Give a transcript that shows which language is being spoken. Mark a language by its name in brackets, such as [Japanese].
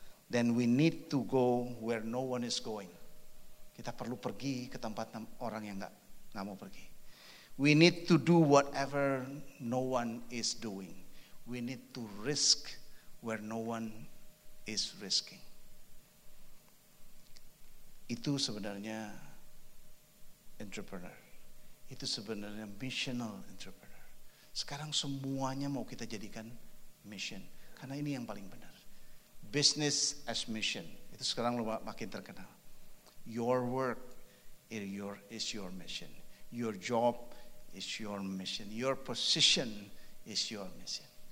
[English] then we need to go where no one is going. [Indonesian] Kita perlu pergi ke tempat orang yang enggak mau pergi. [English] We need to do whatever no one is doing. We need to risk where no one is risking. [Indonesian] Itu sebenarnya entrepreneur. Itu sebenarnya missional entrepreneur. Sekarang semuanya mau kita jadikan mission. Karena ini yang paling benar. Business as mission. Itu sekarang makin terkenal. [English] Your work is your mission. Your job is your mission. Your position is your mission.